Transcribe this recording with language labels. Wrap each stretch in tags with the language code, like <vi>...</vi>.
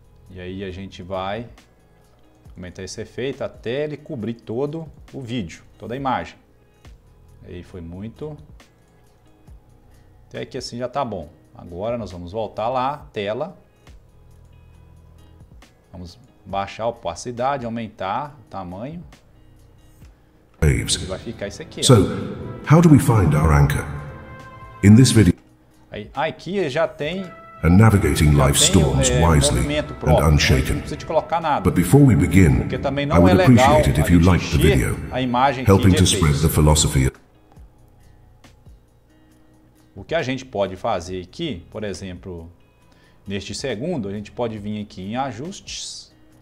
<pt>E aí a gente vai aumentar esse efeito até ele cobrir todo o vídeo, toda a imagem. Aí foi muito. Até aqui assim já tá bom. Agora nós vamos voltar lá, tela. Vamos baixar a opacidade, aumentar o tamanho. Vai ficar isso aqui.</pt> <en>So, how do we find our anchor? In this video.</en> <pt>Aí, aqui já tem.</pt> <en>And navigating life storms wisely and unshaken. But before we begin, I would appreciate it if you liked the video, helping to spread the philosophy.</en> <pt>O que a gente pode fazer aqui, por exemplo, neste segundo, a gente pode vir aqui em ajustes.</pt>